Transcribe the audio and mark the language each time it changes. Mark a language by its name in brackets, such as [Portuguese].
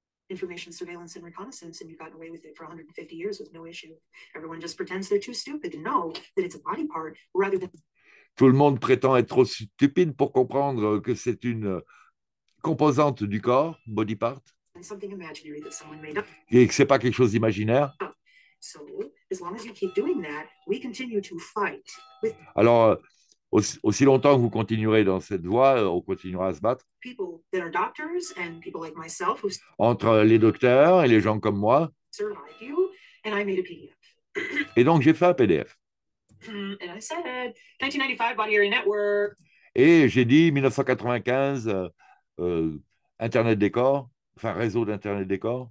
[English] Information surveillance and reconnaissance, and you've gotten away with it for 150 years with no issue. Everyone just pretends they're too stupid to know that it's a body part rather than. [French] Tout le monde prétend être trop stupide pour comprendre que c'est une composante du corps, [English] body part, something imaginary that someone made up. [French] Et que ce n'est pas quelque chose d'imaginaire. [English] So, as long as you keep doing that, we continue to fight with. [French] Alors, aussi longtemps que vous continuerez dans cette voie, on continuera à se battre. [English] People that are doctors and people like myself who. [French] Entre les docteurs et les gens comme moi. [English] Survived you, and I made a PDF. [French] Et donc, j'ai fait un PDF. [English] And I said, 1995 body area network. [French] Et j'ai dit 1995 internet des corps, enfin réseau d'internet des corps.